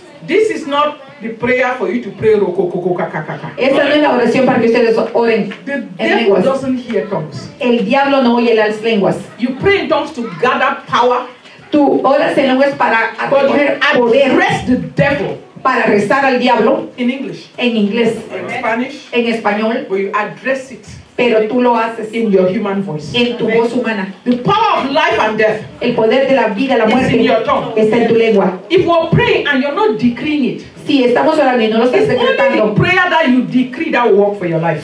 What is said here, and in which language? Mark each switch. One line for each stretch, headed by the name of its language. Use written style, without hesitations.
English: This is not the prayer for you to pray rococo caca caca.
Spanish: Esta no es la oración para que ustedes oren.
English: The devil doesn't hear tongues.
Spanish: El diablo no oye las lenguas.
English: You pray in tongues to gather power.
Spanish: Tú oras en lenguas para coger poder.
English: Arrest the devil.
Spanish: Para arrestar al diablo.
English: In English.
Spanish: En inglés.
English: In Spanish.
Spanish: En español.
English: But you address it.
Spanish: Pero tú lo haces
English: in your human voice.
Spanish: En tu Amen. Voz humana.
English: The power of life and death.
Spanish: El poder de la vida y la muerte
English: in your tongue.
Spanish: Está en tu lengua.
English: If we're praying and you're not decreeing it.
Spanish: Si estamos orando y no lo estás
English: it's
Spanish: decretando.
English: Only the prayer that you decree that will work for your life.